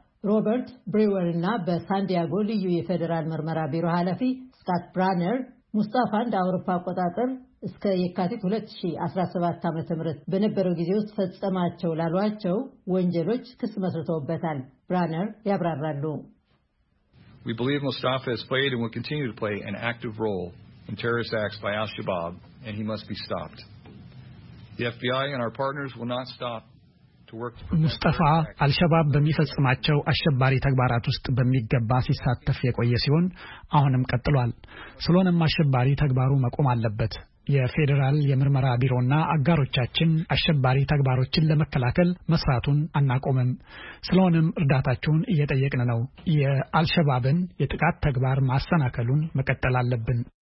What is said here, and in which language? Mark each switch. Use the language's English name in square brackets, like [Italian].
[Amharic] ሮበርት ብሬወር እና በሳንዲያጎ ልዩ የፌዴራል ምርመራ ቢሮ ኃላፊ ስካት ብራነር ሙስጣፋ እንደ አውሮፓ አቆጣጠር እስከ የካቲት 2017 ዓ.ም በነበረው ጊዜ ውስጥ ፈጸማቸው ላሏቸው ወንጀሎች ክስ መስርተውበታል። ብራነር ያብራራሉ። [English] We believe Mustafa has played and will continue to play an active role in terrorist acts by Al-Shabaab and he must be stopped. The FBI and our partners will not stop. [Amharic] ሙስጣፋ አልሸባብ በሚፈጽማቸው አሸባሪ ተግባራት ውስጥ በሚገባ ሲሳተፍ የቆየ ሲሆን አሁንም ቀጥሏል። ስለሆነም አሸባሪ ተግባሩ መቆም አለበት። የፌደራል የምርመራ ቢሮና አጋሮቻችን አሸባሪ ተግባሮችን ለመከላከል መስራቱን አናቆምም። ስለሆነም እርዳታችሁን እየጠየቅን ነው። የአልሸባብን የጥቃት ተግባር ማሰናከሉን መቀጠል አለብን።